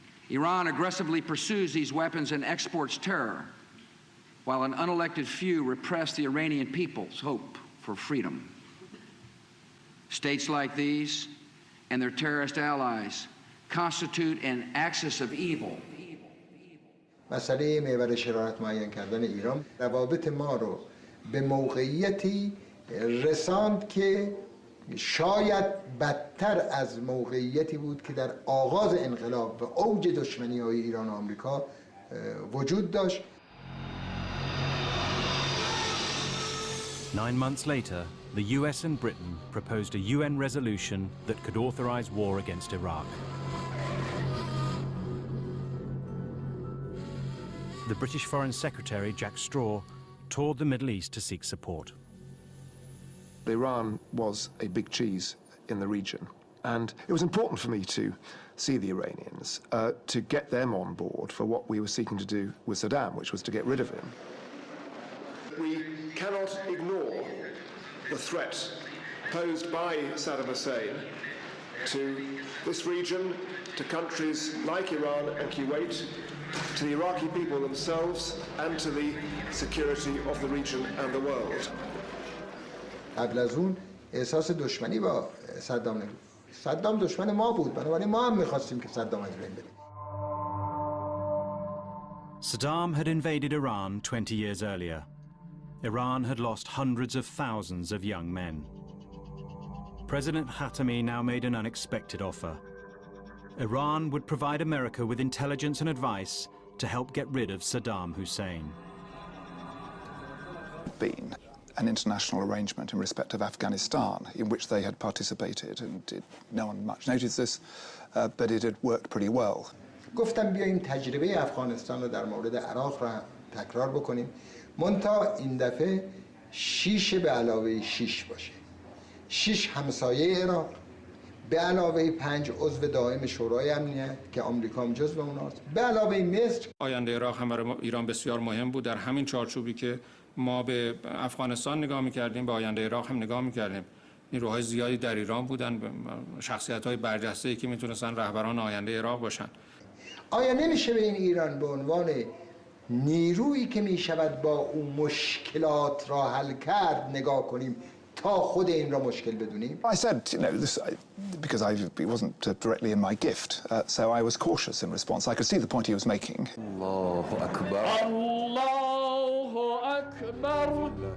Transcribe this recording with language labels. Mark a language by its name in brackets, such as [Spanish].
[English] Iran aggressively pursues these weapons and exports terror, while an unelected few repress the Iranian people's hope for freedom. States like these and their terrorist allies constitute an axis of evil. [Persian] مسئله محور شرارت معین کردن ایران روابط ما رو به موقعیتی رساند که شاید بدتر از موقعیتی بود که در آغاز انقلاب و اوج دشمنی‌های ایران و آمریکا وجود داشت. [English] 9 months later, the US and Britain proposed a UN resolution that could authorize war against Iraq. The British Foreign Secretary, Jack Straw, toured the Middle East to seek support. Iran was a big cheese in the region, and it was important for me to see the Iranians, to get them on board for what we were seeking to do with Saddam, which was to get rid of him. We cannot ignore the threat posed by Saddam Hussein to this region, to countries like Iran and Kuwait, to the Iraqi people themselves, and to the security of the region and the world. [Persian] قبل از اون احساس دشمنی با صدام نبود. صدام دشمن ما بود، بنابراین ما هم می‌خواستیم که صدام از بین بره. [English] Saddam had invaded Iran 20 years earlier. Iran had lost hundreds of thousands of young men. President Khatami now made an unexpected offer. Iran would provide America with intelligence and advice to help get rid of Saddam Hussein. Been an international arrangement in respect of Afghanistan, in which they had participated, and did, no one much noticed this, but it had worked pretty well. [Persian] گفتم بیاییم تجربه افغانستان رو در مورد عراق را تکرار بکنیم. منتا این دفعه شیش به علاوه شیش باشه. شیش همسایه عراق به علاوه پنج عضو دائم شورای امنیت که آمریکا هم جزء اوناست. به علاوه مصر. آینده عراق هم برای ایران بسیار مهم بود. در همین چارچوبی که ما به افغانستان نگاه میکردیم به آینده عراق هم نگاه میکردیم. نیروهای زیادی در ایران بودن. شخصیت‌های برجسته‌ای که میتونستن رهبران آینده عراق باشن. آیا نمیشه به این ایران به عنوان نیرویی که می شود با او مشکلات را حل کرد نگاه کنیم تا خود این را مشکل بدونیم؟ [English] I said, you know, this, because it wasn't directly in my gift, so I was cautious in response. I could see the point he was making. [Arabic] الله اکبر. الله اکبر.